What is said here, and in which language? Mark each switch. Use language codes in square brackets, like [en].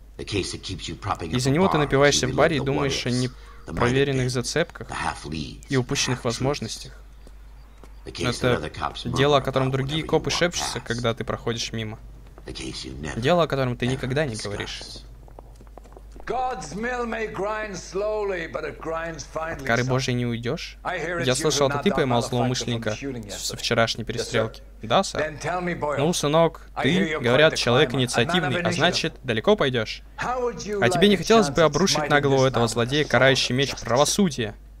[ru] Из-за него ты напиваешься в баре и думаешь о непроверенных зацепках и упущенных возможностях. Это дело, о котором другие копы шепчутся, когда ты проходишь мимо. Дело, о котором ты никогда не говоришь. [en] God's mill may grind slowly, but it grinds finally. [ru] Кары Божьей не уйдешь? Я слышал, это ты поймал злоумышленника со вчерашней перестрелки. Да, сэр? Ну, сынок, ты, говорят, человек инициативный, а значит, далеко пойдешь. А тебе не хотелось бы обрушить на голову этого злодея карающий меч правосудия?